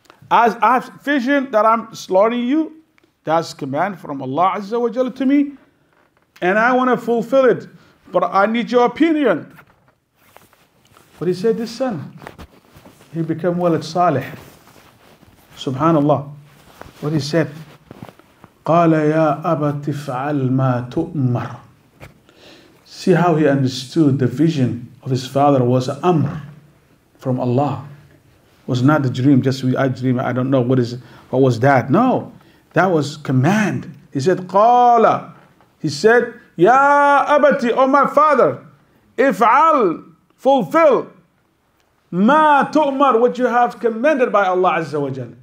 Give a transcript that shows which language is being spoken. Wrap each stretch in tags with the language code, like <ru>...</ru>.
<en>As I have vision that I'm slaughtering you, that's command from Allah Azza wa Jalla to me, and I want to fulfill it, but I need your opinion. But he said, this son, he became walid salih. Subhanallah. What he said,</en> <ar>قَالَ يَا أَبَتِ فَعَلْ مَا تُؤْمَرُ.</ar> <en>See how he understood the vision of his father was amr from Allah. It was not a dream, just I dream, I don't know what was that. No. That was command. He said, Qala. He said, Ya Abati, O my father, if'al, fulfill, ma tu'mar, what you have commanded by Allah Azza wa Jal.</en>